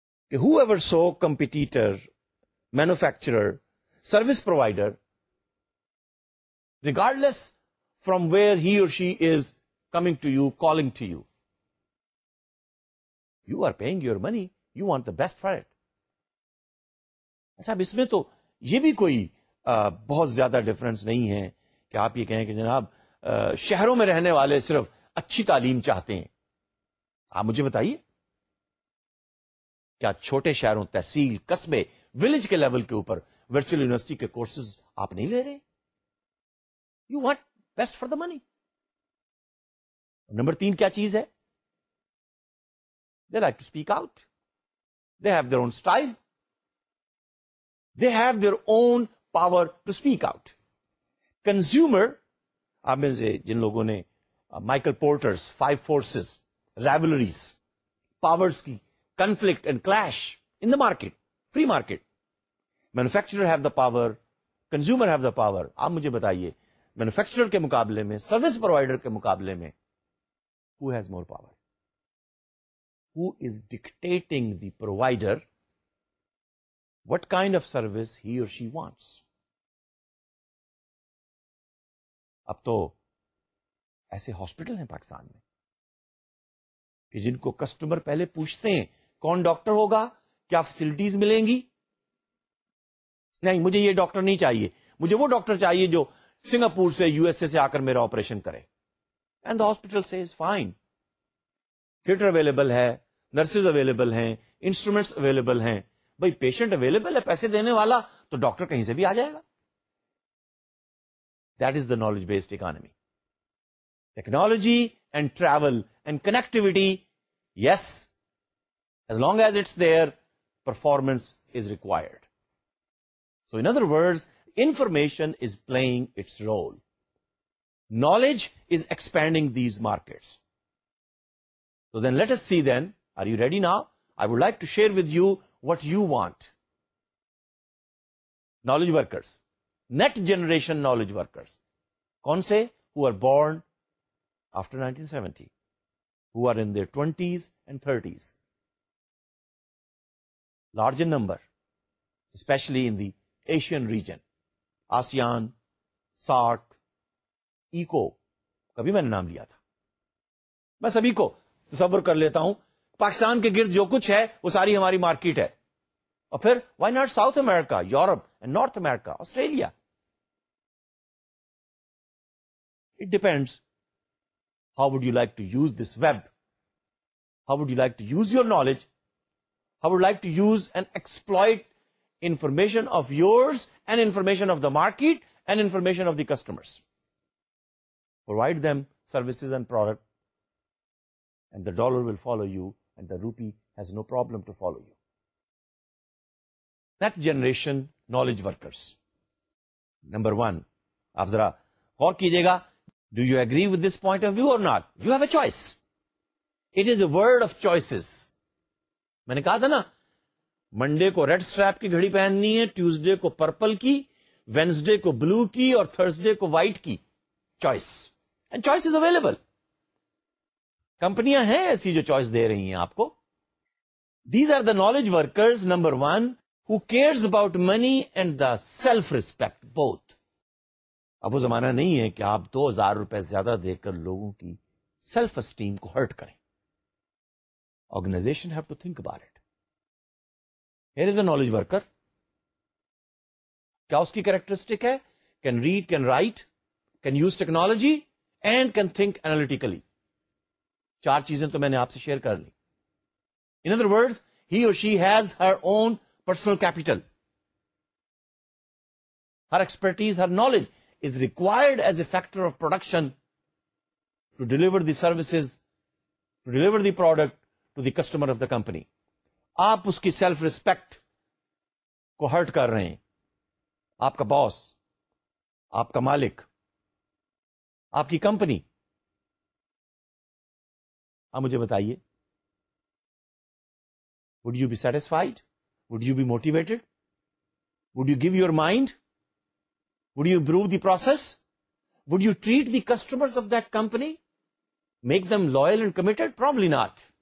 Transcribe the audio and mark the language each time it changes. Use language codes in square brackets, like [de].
[en] Ke whoever saw competitor, manufacturer, service provider, regardless from where he or she is coming to you, calling to you, you are paying your money, you want the best for it. [ur] اچھا اب اس میں تو یہ بھی کوئی بہت زیادہ difference نہیں ہے کہ آپ یہ کہیں کہ جناب شہروں میں رہنے والے صرف اچھی تعلیم چاہتے ہیں. آپ مجھے بتائیے کیا چھوٹے شہروں, تحصیل, قصبے, ولیج کے لیول کے اوپر ورچوئل یونیورسٹی کے کورسز آپ نہیں لے رہے؟ [en] You want best for the money. [ur] Number تین کیا چیز ہے؟ [en] They like to speak out, they have their own style, they have their own power to speak out. [ur] Consumer, آپ میں سے جن لوگوں نے Michael Porter's five forces, ریولریز, powers کی conflict and clash in the market, free market, [en] manufacturer have the power, [ur] consumer have the power, آپ مجھے بتائیے مینوفیکچرر کے مقابلے میں, سروس پرووائڈر کے مقابلے میں, [en] Who has more power, who is dictating the provider what kind of service he اور she wants. [ur] اب تو ایسے ہاسپٹل ہیں پاکستان میں کہ جن کو کسٹمر پہلے پوچھتے ہیں کون ڈاکٹر ہوگا, کیا فیسلٹیز ملیں گی, نہیں مجھے یہ ڈاکٹر نہیں چاہیے, مجھے وہ ڈاکٹر چاہیے جو سنگاپور سے, یو ایس اے سے آ کر میرا آپریشن کرے. [en] and the hospital says fine, [ur] theatre available ہے, نرسز اویلیبل ہیں, انسٹرومینٹس اویلیبل ہیں, بھائی پیشنٹ اویلیبل ہے, پیسے دینے والا, تو ڈاکٹر کہیں سے بھی آ جائے گا. [en] That is the knowledge based economy, technology and travel and connectivity, yes, as long as it's their performance is required. So in other words, information is playing its role, knowledge is expanding these markets. So then let us see then, are you ready now? I would like to share with you what you want. Knowledge workers, next generation knowledge workers, kaun se, who are born after 1970, who are in their 20s and 30s, large in number, especially in the Asian region, ASEAN, SAARC, ECO, [ur] کبھی میں نے نام لیا تھا, میں سبھی کو تصور کر لیتا ہوں پاکستان کے گرد جو کچھ ہے وہ ساری ہماری مارکیٹ ہے, [en] اور پھر why not south America, Europe and north America, Australia, it depends how would you like to use this web, how would you like to use your knowledge, how would like to use and exploit information of yours and information of the market and information of the customers. provide them services and product, and the dollar will follow you, and the rupee has no problem to follow you. Next generation knowledge workers. Number one, [ur] aap zara gaur kijiyega, [en] do you agree with this point of view or not? You have a choice. It is a world of choices. [ur] Maine kaha tha na, Monday کو red strap کی گھڑی پہننی ہے, Tuesday کو purple کی, Wednesday کو بلو کی, اور Thursday کو وائٹ کی. Choice, [en] And choice is available. [ur] کمپنیاں ہیں ایسی جو چوائس دے رہی ہیں آپ کو. [en] These are the knowledge workers number one who cares about money and the self respect both. [ur] اب وہ زمانہ نہیں ہے کہ آپ 2000 روپے زیادہ دے کر لوگوں کی سیلف اسٹیم کو ہرٹ کریں. [en] Organization have to think about it. Here is a knowledge worker. [ur] کیا اس کی کریکٹرسٹک ہے؟ [en] Can read, can write, can use technology, and can think analytically. [ur] چار چیزیں تو میں نے آپ سے شیئر کر لی. [en] In other words, he or she has her own personal capital. Her expertise, her knowledge is required as a factor of production to deliver the services, to deliver the product to the customer of the company. [ur] آپ اس کی self respect کو hurt کر رہے ہیں. آپ کا باس, آپ کا مالک, آپ کی کمپنی. آپ مجھے بتائیے, [en] Would you be satisfied, would you be motivated, would you give your mind, would you improve the process, would you treat the customers of that company, make them loyal and committed? Probably not.